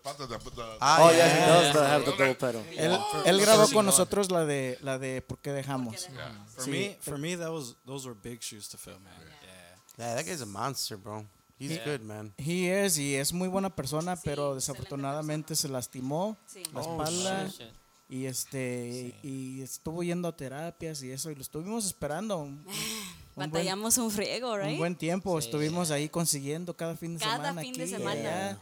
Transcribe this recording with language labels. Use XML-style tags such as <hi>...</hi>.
<en>pata. Oh, yeah, he does have the double pedal.</en> <es>Él grabó con nosotros la de ¿Por qué dejamos?</es> <en>For me, those were big shoes to fill, man. Yeah. Yeah, that guy's a monster, bro. He's good, man. He is,</en> <es>y es muy buena persona, pero desafortunadamente se lastimó la espalda.</es> <en>Shit.</en> <es>Y estuvo yendo a terapias y eso, y lo estuvimos esperando. Batallamos un friego, right? Un buen tiempo, estuvimos ahí consiguiendo cada fin de semana.</es>